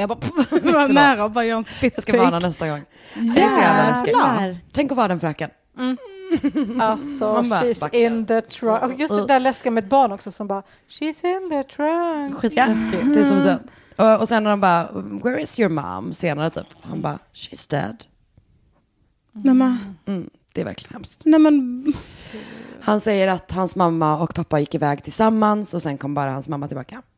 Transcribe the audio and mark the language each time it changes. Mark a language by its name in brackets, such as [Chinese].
[Swedish] Jag bara, nära och bara gör en spitt. Jag ska vara nästa gång. Jävlar. Tänk att vara den fröken. Alltså, [English] she's in the trunk. [Swedish] Just det där läskiga med ett barn också som bara, [English] she's in the trunk. [Swedish] Skitläskigt. Yeah. 1000%. Och sen när de bara, [English] where is your mom? [Swedish] Senare typ, han bara, [English] she's dead. [Swedish] Nej, men. Det är verkligen hemskt. Nej, men. Han säger att hans mamma och pappa gick iväg tillsammans och sen kom bara hans mamma tillbaka.